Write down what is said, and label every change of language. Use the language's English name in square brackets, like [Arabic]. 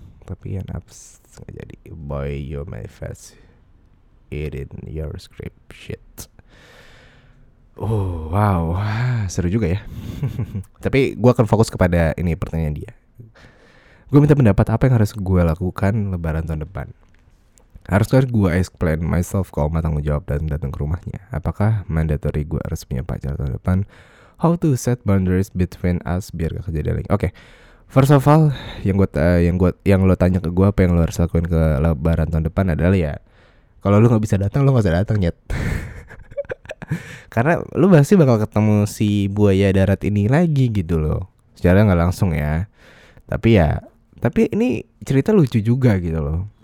[Indonesian] Tapi ya, naps. Gak jadi. [English] Boy, you manifest it in your script. Shit. Oh, wow. [Indonesian] Seru juga ya. Tapi gue akan fokus kepada ini pertanyaan dia. Gue minta pendapat, apa yang harus gue lakukan lebaran tahun depan? Haruskah gue [English] explain myself [Indonesian] kalau matang menjawab dan datang ke rumahnya? Apakah mandatory gue harus punya pacar tahun depan? [English] How to set boundaries between us [Indonesian] biar gak kejadian lagi? Oke, [English] first of all, [Indonesian] yang lo tanya ke gue apa yang lo harus lakuin ke lebaran tahun depan adalah ya, kalau lo gak bisa datang, lo gak usah datang, nyet. Karena lo pasti bakal ketemu si buaya darat ini lagi gitu loh. Secara gak langsung ya. Tapi ini cerita lucu juga gitu loh.